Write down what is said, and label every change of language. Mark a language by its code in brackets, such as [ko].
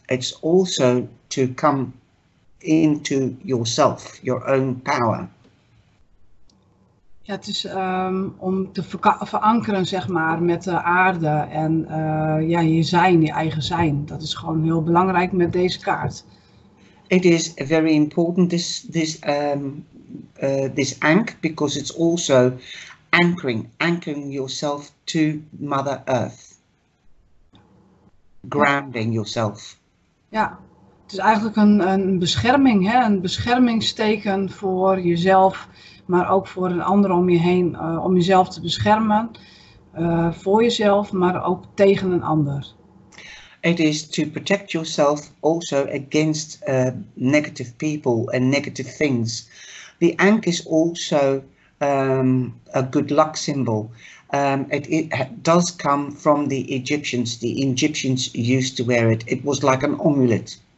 [en] It's also to come into yourself, your own power. [nl] Ja, het is om te verankeren, zeg maar, met de aarde en je zijn, je eigen zijn. Dat is gewoon heel belangrijk met deze kaart. [en] It is very important, this Ankh, because it's also anchoring yourself to Mother Earth, grounding yourself. [nl] Ja, het is eigenlijk een bescherming, hè? Een beschermingsteken voor jezelf, maar ook voor een ander om je heen, om jezelf te beschermen, voor jezelf, maar ook tegen een ander. [en] It is to protect yourself also against negative people and negative things. The Ankh is also a good luck symbol. It does come from the Egyptians. The Egyptians used to wear it. It was like an amulet.